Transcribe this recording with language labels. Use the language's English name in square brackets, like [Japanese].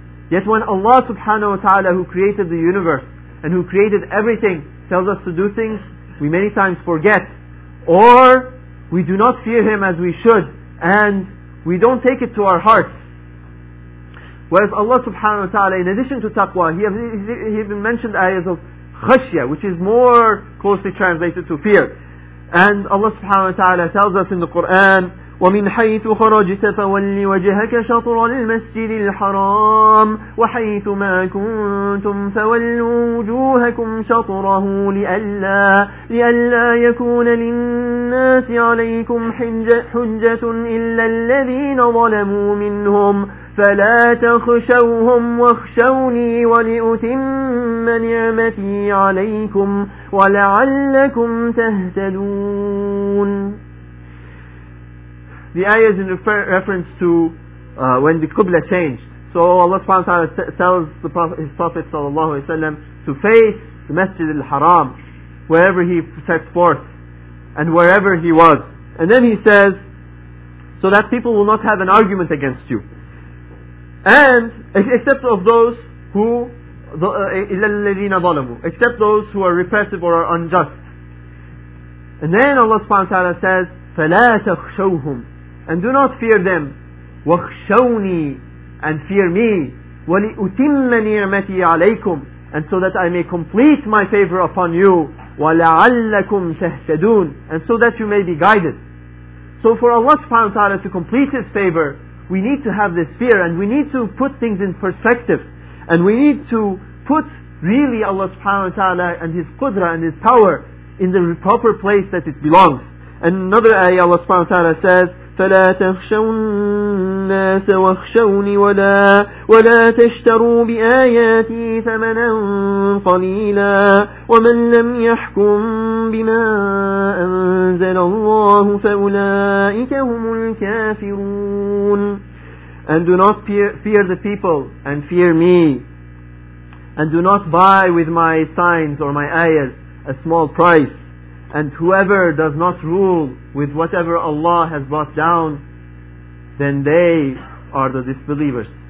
[English] Yet when Allah subhanahu wa ta'ala, who created the universe and who created everything, tells us to do things, we many times forget. Or we do not fear Him as we should, and we don't take it to our hearts. Whereas Allah subhanahu wa ta'ala, in addition to taqwa, He even mentioned ayahs of khashya, which is more closely translated to fear. And Allah subhanahu wa ta'ala tells us in the Qur'an, [Arabic] وَمِنْ حَيْثُ خَرَجْتَ فَوَلِّ وَجْهَكَ شَطْرَ الْمَسْجِدِ الْحَرَامِ وَحَيْثُ مَا كُنْتُمْ فَوَلُّوا وُجُوهَكُمْ شَطْرَهُ لِئَلَّا يَكُونَ لِلنَّاسِ عَلَيْكُمْ حُجَّةٌ إِلَّا الَّذِينَ ظَلَمُوا مِنْهُمْ فَلَا تَخْشَوْهُمْ وَاخْشَوْنِي وَلِأُتِمَّ نِعْمَتِي عَلَيْكُمْ وَلَعَلَّكُمْ تَهْتَدُونَ. [English] The ayah is in reference to when the Qibla changed. So Allah subhanahu wa ta'ala tells His Prophet sallallahu alayhi wa sallam to face the Masjid al-Haram wherever he set forth and wherever he was. And then he says, so that people will not have an argument against you. And except of those who illa zalamu, except those who are repressive or are unjust. And then Allah subhanahu wa ta'ala says, [Arabic] فَلَا تَخْشَوْهُمْ, [English] and do not fear them. [Arabic] وَخْشَوْنِي, [English] and fear me. [Arabic] وَلِأُتِمَّ نِعْمَتِي عَلَيْكُمْ, [English] and so that I may complete my favor upon you. [Arabic] وَلَعَلَّكُمْ تَهْتَدُونَ, [English] and so that you may be guided. So for Allah subhanahu wa ta'ala to complete His favor, we need to have this fear, and we need to put things in perspective, and we need to put really Allah subhanahu wa ta'ala and His qudra and His power in the proper place that it belongs. And another ayah Allah subhanahu wa ta'ala says, [Arabic] فَلَا تَخْشَوْا النَّاسَ وَاخْشَوْنِ وَلَا تَشْتَرُوا بِآيَاتِي ثَمَنًا قَلِيلًا وَمَنْ لَمْ يَحْكُمْ بِمَا أَنْزَلَ اللَّهُ فَأُولَٰئِكَ هُمُ الْكَافِرُونَ. [English] And do not fear the people, and fear me. And do not buy with my signs or my ayahs a small price. And whoever does not rule with whatever Allah has brought down, then they are the disbelievers.